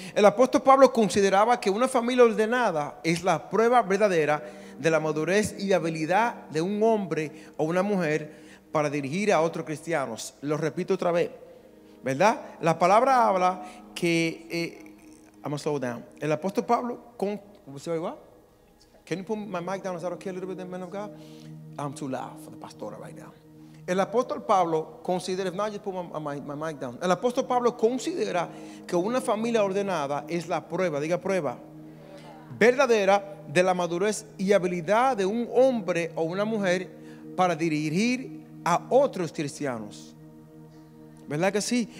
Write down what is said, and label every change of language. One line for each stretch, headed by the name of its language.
Spanish: El apóstol Pablo consideraba que una familia ordenada es la prueba verdadera de la madurez y habilidad de un hombre o una mujer para dirigir a otros cristianos. Lo repito otra vez, ¿verdad? La palabra habla que,
English: I'm gonna slow down.
Spanish: El apóstol Pablo, ¿cómo se va igual?
English: Can you put my mic down? Is that okay, a little bit, man of God? I'm too loud for the pastor right now.
Spanish: El apóstol Pablo considera,
English: if not, just put my mic down.
Spanish: El apóstol Pablo considera que una familia ordenada es la prueba, diga prueba, verdadera de la madurez y habilidad de un hombre o una mujer para dirigir a otros cristianos. ¿Verdad que sí?